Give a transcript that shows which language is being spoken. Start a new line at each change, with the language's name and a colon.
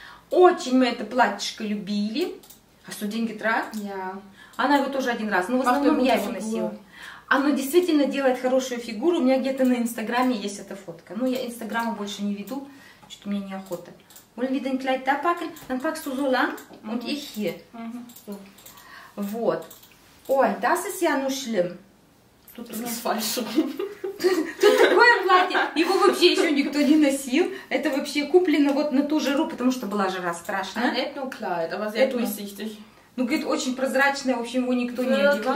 Russian: Очень мы это платьишко любили. А что, деньги тратят? Я. Она его тоже один раз, но в основном я его носила. Оно действительно делает хорошую фигуру. У меня где-то на Инстаграме есть эта фотка. Но я Инстаграма больше не веду. Что-то мне неохота.
German: Wollen wir den Kleid da packen? Dann packst du so lang und ich hier.
Russian: Вот. Ой,
German: das ist ja nur schlimm.
Russian: Тут у меня фальшу. Тут такое платье. Его вообще еще никто не носил. Это вообще куплено вот на ту жару, потому что была жара страшная. Это не
German: Kleid, aber sehr durchsichtig.
Russian: Ну, говорит, очень прозрачное. В общем, его никто не одевал.